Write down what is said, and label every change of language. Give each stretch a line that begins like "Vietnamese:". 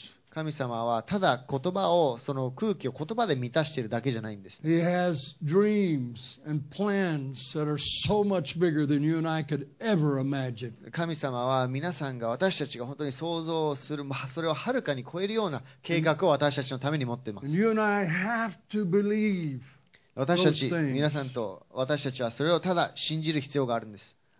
Japanese: 神様はただ言葉をその空気を言葉で満たしているだけじゃないんです、ね。
English: He has dreams and plans that are so much bigger than you and I could ever imagine.
Japanese: 神様は皆さんが私たちが本当に想像するそれをはるかに超えるような計画を私たちのために持っています。
English: And you and I have to believe.
Japanese: 私たち皆さんと私たちはそれをただ信じる必要があるんです。